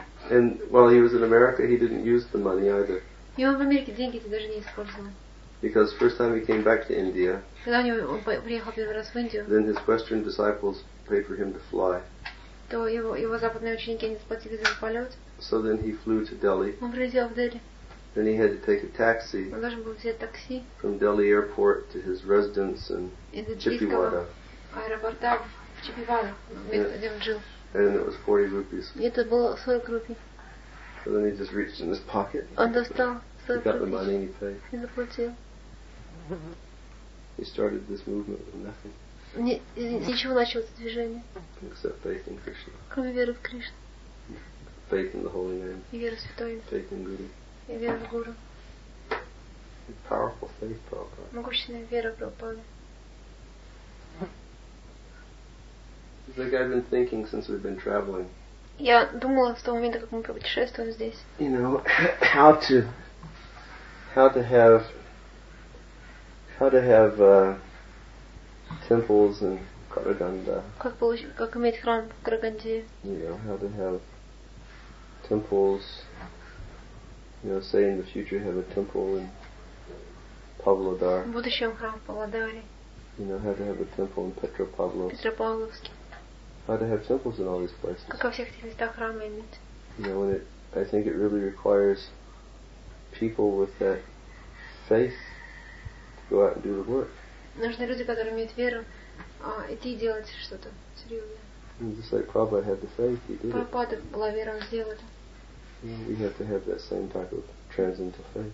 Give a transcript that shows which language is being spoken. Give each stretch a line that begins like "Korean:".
English: And while he was in America, he didn't use the money either.
Russian: И он в Америке деньги-то даже не использовал.
English: Because first time he came back to India.
Russian: Когда он приехал первый раз в Индию.
English: Then his Western disciples paid for him to fly.
Russian: То его западные ученики не заплатили за полет.
English: So then he flew to Delhi.
Russian: Он прилетел в Дели.
English: Then he had to take a taxi.
Russian: Он должен был взять такси.
English: From Delhi airport to his residence in Chippewada.
Russian: Аэропорта в Чиппивада, где он жил.
English: And it was 40 rupees.
Russian: Это было 40 рупий.
English: So then he just reached in his pocket.
Russian: Он достал 40 рупий.
English: He got the money and he paid.
Russian: И заплатил.
English: He started this movement with nothing.
Russian: Ничего начало это движение.
English: Except faith in Krishna.
Russian: Кроме веры в Кришну.
English: Faith in the holy name.
Russian: И вера в святое имя.
English: Faith in Guru.
Russian: И вера в Гуру.
English: A powerful faith, Prabhupada.
Russian: Могущественная вера в Прабхупаде.
English: It's like I've been thinking since we've been traveling.
Russian: Я думала с того момента, как мы путешествуем здесь.
English: You know, how to have temples in Karaganda.
Russian: Как иметь храм в Караганде.
English: You know, how to have temples. You know, say in the future have a temple in Pavlodar.
Russian: В будущем храм в Павлодаре.
English: You know, how to have a temple in Petropavlovsk. How to have temples in all these places.
Russian: Как во всех этих местах храмы иметь.
English: You know, and I think it really requires people with that faith to go out and do the work.
Russian: Нужны люди, которые имеют веру, идти делать что-то серьезное.
English: Just like Prabhupada had the faith, he did Prabhupada it.
Russian: Была вера, он сделал это.
English: We have to have that same type of transcendental faith.